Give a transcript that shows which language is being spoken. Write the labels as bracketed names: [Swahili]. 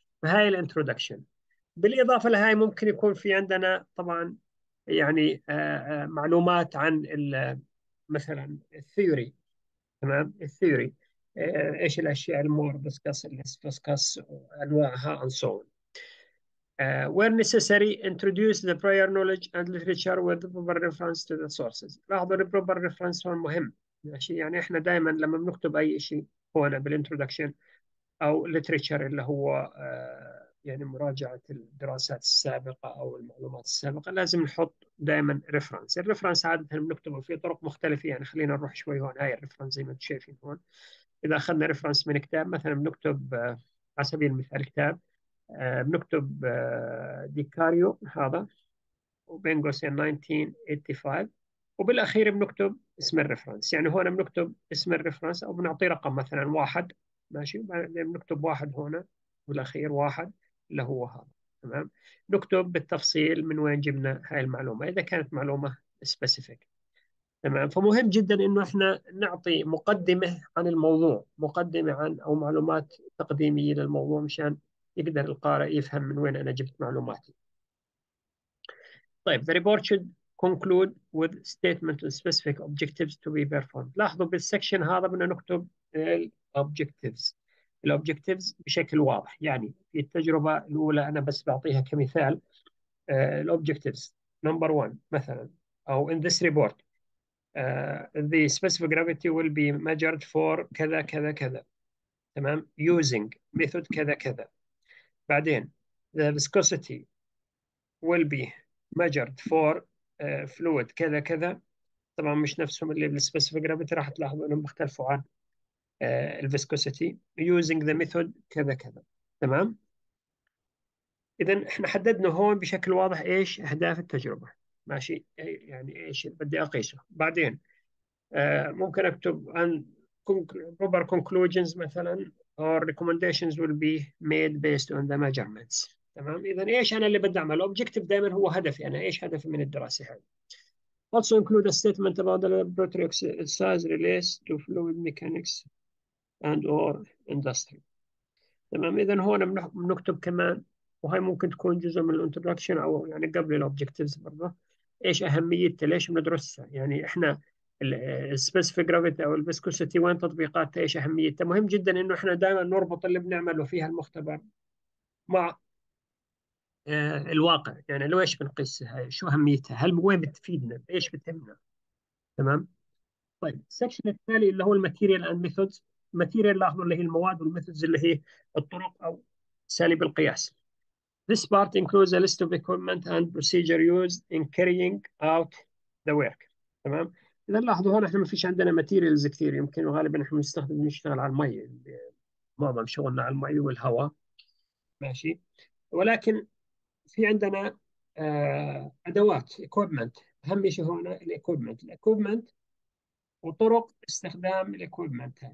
[Arabic] فهاي الانترودكشن. بالاضافه لهاي ممكن يكون في عندنا طبعا يعني معلومات عن مثلا الثيوري. تمام، الثيوري ايش الاشياء، المور ديسكس الليس ديسكس انواعها [English] and so on. where necessary introduce the prior knowledge and literature with the proper reference to the sources. [Arabic] لاحظوا البروبر ريفرنس هون مهم، ماشي، يعني احنا دائما لما بنكتب اي شيء هون بالانترودكشن او literature اللي هو يعني مراجعه الدراسات السابقه او المعلومات السابقه، لازم نحط دائما ريفرنس. الريفرنس عاده بنكتبه في طرق مختلفه، يعني خلينا نروح شوي هون، هاي الريفرنس زي ما انتم شايفين هون. اذا اخذنا ريفرنس من كتاب مثلا، بنكتب على سبيل المثال كتاب، بنكتب ديكاريو هذا وبنغوسين 1985، وبالاخير بنكتب اسم الريفرنس. يعني هون بنكتب اسم الريفرنس او بنعطي رقم مثلا واحد، ماشي، بعدين بنكتب واحد هون وبالاخير واحد اللي هو هذا. تمام، نكتب بالتفصيل من وين جبنا هاي المعلومه اذا كانت معلومه سبيسيفيك. تمام، فمهم جدا انه احنا نعطي مقدمه عن الموضوع، مقدمه عن او معلومات تقديميه للموضوع مشان يقدر القارئ يفهم من وين انا جبت معلوماتي. [English] طيب the report should conclude with statement and specific objectives to be performed. [Arabic] لاحظوا بالسكشن هذا بدنا نكتب الـ objectives. الـ objectives بشكل واضح، يعني في التجربة الأولى أنا بس بعطيها كمثال. [English] الـ objectives number one مثلا، أو in this report the specific gravity will be measured for [Arabic] كذا كذا كذا. [English] تمام using method [Arabic] كذا كذا. [English] بعدين the viscosity will be measured for fluid [Arabic] كذا كذا. طبعا مش نفسهم اللي بالسبيسيفيك جرافيتي، راح تلاحظوا انهم اختلفوا عن الفيسكوسيتي [English] using the method [Arabic] كذا كذا. تمام، اذا احنا حددنا هون بشكل واضح ايش اهداف التجربه، ماشي، يعني ايش بدي اقيسه. بعدين ممكن اكتب عن [English] proper conclusions مثلا or recommendations will be made based on the measurements. [Arabic] تمام، اذا ايش انا اللي بدي اعمله؟ objective دائما هو هدفي انا، ايش هدفي من الدراسه هذه. [English] Also include a statement about the laboratory exercise relates to fluid mechanics and or industry. [Arabic] تمام، اذا هون بنكتب كمان، وهي ممكن تكون جزء من الانتروداكشن او يعني قبل الاوبجكتيفز برضه، ايش اهميه ليش بندرسها؟ يعني احنا السبيسيفيك جرافيتي او الفيسكوسيتي وين تطبيقاتها، ايش اهميتها؟ مهم جدا انه احنا دائما نربط اللي بنعمله فيها المختبر مع الواقع، يعني لو ايش بنقيسها، شو اهميتها، هل وين بتفيدنا، ايش بتهمنا. تمام، طيب السكشن التالي اللي هو الماتيريال اند ميثودز. الماتيريال لاحظوا اللي هي المواد، والميثودز اللي هي الطرق او اساليب القياس. [English] This part includes a list of equipment and procedure used in carrying out the work. [Arabic] تمام، اذا لاحظوا هون احنا ما فيش عندنا ماتيريالز كثير، يمكن غالبا احنا بنستخدم نشتغل على المي، معظم شغلنا على المي والهواء، ماشي، ولكن في عندنا أدوات equipment. أهم شيء هنا الإكويبمنت، الإكويبمنت وطرق استخدام الإكويبمنت.